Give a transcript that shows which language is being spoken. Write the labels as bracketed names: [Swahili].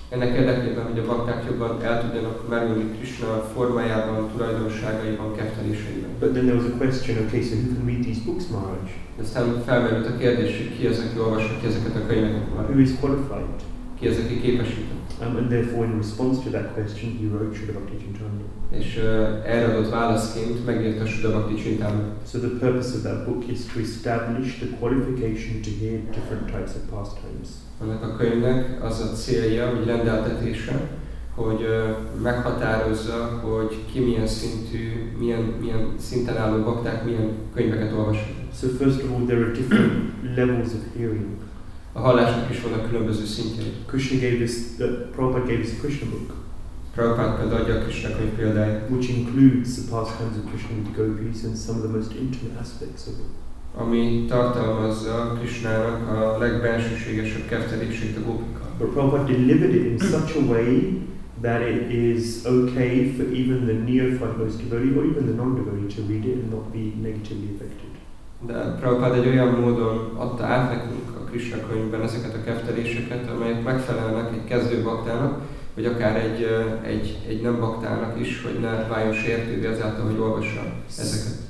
[Hungarian] Ennek érdekében, hogy a bakták jobban el tudjanak merülni Krishna formájában, tulajdonságaiban, kefteléseiben. [English] But then there was a question, okay, so who can read these books, Maharaj? [Hungarian] Aztán felmerült a kérdés, ki az, aki olvashatja ezeket a könyveket. [English] Who is qualified? [Hungarian] Ki az, aki képesített? [English] And therefore, in response to that question, he wrote Shuddha Bhakti Chintamani. [Hungarian] És erre adott válaszként megírta a Shuddha Bhakti Chintamani. [English] So the purpose of that book is to establish the qualification to hear different types of pastimes. [Hungarian] Ennek a könyvnek az a célja, vagy rendeltetése, hogy meghatározza, hogy ki milyen szintű, milyen szinten álló bakták, milyen könyveket olvashat. [English] So first of all, there are different levels of hearing. [Hungarian] A hallásnak is vannak különböző szintjei. [English] Krishna gave us, the Prabhupada gave us a Krishna book. [Hungarian] Prabhupada adja a Krishna könyv példáját. [English] Which includes the pastimes of Krishna with the gopis and some of the most intimate aspects of it. [Hungarian] Ami tartalmazza Krishnának a legbensőségesebb kefteléseit a gópikkal. [English] But Prabhupada delivered it in such a way that it is okay for even the neophyte most devotee or even the non-devotee to read it and not be negatively affected. [Hungarian] De Prabhupada egy olyan módon adta át nekünk a Krishna könyvben ezeket a kefteléseket, amelyek megfelelnek egy kezdő baktának, vagy akár egy nem baktának is, hogy ne váljon sértővé azáltal, hogy olvassa ezeket.